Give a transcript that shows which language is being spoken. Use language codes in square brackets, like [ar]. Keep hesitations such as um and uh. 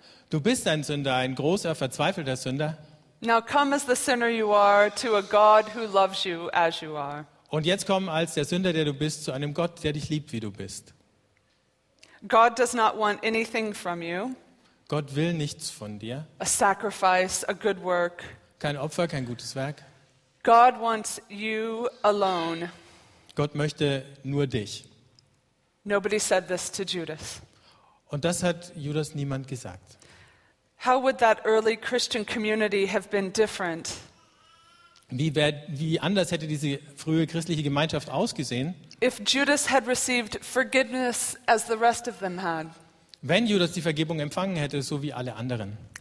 [de] du bist ein Sünder, ein großer, verzweifelter Sünder. [en] Now come as the sinner you are to a God who loves you as you are. [de] Und jetzt komm als der Sünder, der du bist, zu einem Gott, der dich liebt, wie du bist. [en] God does not want anything from you. [de] Gott will nichts von dir. [en] A sacrifice, a good work. [de] Kein Opfer, kein gutes Werk. [en] God wants you alone. [de] Gott möchte nur dich. [en] Nobody said this to Judas. [de] Und das hat Judas niemand gesagt. [en] How would that early Christian community have been different? [de] Wie, wie anders hätte diese frühe christliche Gemeinschaft ausgesehen? [en] If Judas had received forgiveness as the rest of them had. [de] wenn Judas die Vergebung empfangen hätte, so wie alle anderen.